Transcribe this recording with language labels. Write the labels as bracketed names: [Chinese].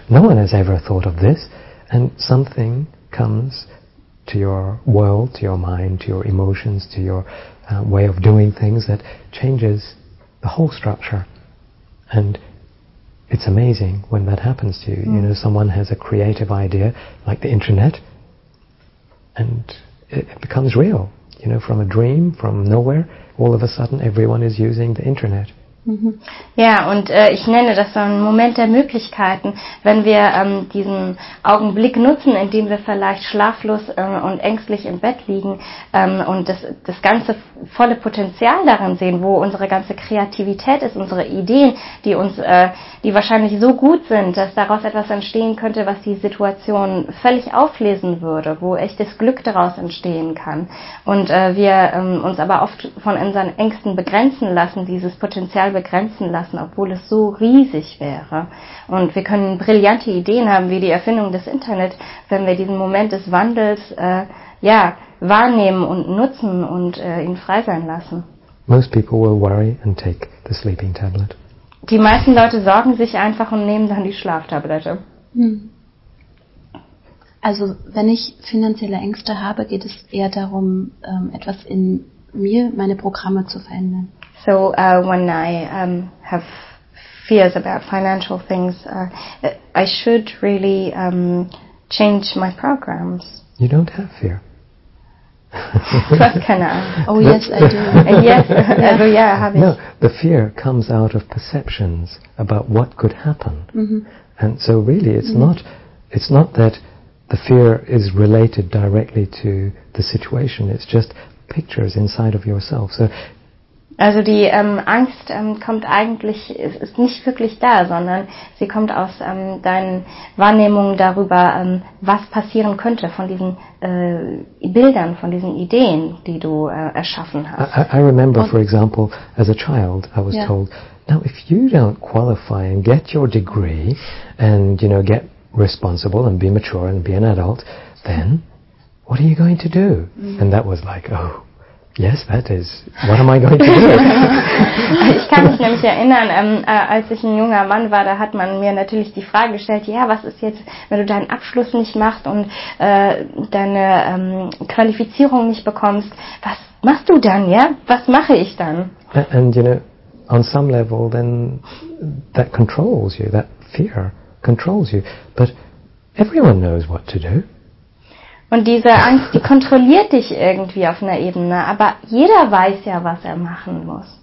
[English] No one has ever thought of this. And something comes to your world, to your mind, to your emotions, to your way of doing things that changes the whole structure. And it's amazing when that happens to you. Mm. You know, someone has a creative idea, like the internet, and it becomes real. You know, from a dream, from nowhere, all of a sudden everyone is using the internet. [German] Ja, und ich nenne das so einen Moment der Möglichkeiten, wenn wir diesen Augenblick nutzen, in dem wir vielleicht schlaflos und ängstlich im Bett liegen und das ganze volle Potenzial darin sehen, wo unsere ganze Kreativität ist, unsere Ideen, die uns, die wahrscheinlich so gut sind, dass daraus etwas entstehen könnte, was die Situation völlig auflesen würde, wo echtes Glück daraus entstehen kann. Und wir uns aber oft von unseren Ängsten begrenzen lassen, dieses Potenzial begrenzen lassen, obwohl es so riesig wäre. Und wir können brillante Ideen haben, wie die Erfindung des Internet, wenn wir diesen Moment des Wandels wahrnehmen und nutzen und ihn frei sein lassen. [English] Most people will worry and take the sleeping tablet. [German] Die meisten Leute sorgen sich einfach und nehmen dann die Schlaftablette. Also wenn ich finanzielle Ängste habe, geht es eher darum, etwas in mir, meine Programme zu verändern. [English] So when I have fears about financial things, I should really change my programs. You don't have fear. Trust kind of. Oh yes, I do. Yes, yeah. Yeah, I have it. No, the fear comes out of perceptions about what could happen. Mm-hmm. And so really it's not that the fear is related directly to the situation, it's just pictures inside of yourself. So. [German] Also die Angst kommt eigentlich, ist nicht wirklich da, sondern sie kommt aus deinen Wahrnehmungen darüber, was passieren könnte, von diesen Bildern, von diesen Ideen, die du erschaffen hast. [English] I remember, for example, as a child, I was told, now if you don't qualify and get your degree and, you know, get responsible and be mature and be an adult, then what are you going to do? Mm-hmm. And that was like, oh. Yes, that is. What am I going to do? [German] Ich kann mich nämlich erinnern, als ich ein junger Mann war, da hat man mir natürlich die Frage gestellt, ja, was ist jetzt, wenn du deinen Abschluss nicht machst und deine Qualifizierung nicht bekommst, was machst du dann, ja? Was mache ich dann? [English] And you know, on some level then that controls you, that fear controls you. But everyone knows what to do. [German] Und diese Angst, die kontrolliert dich irgendwie auf einer Ebene, aber jeder weiß ja, was er machen muss.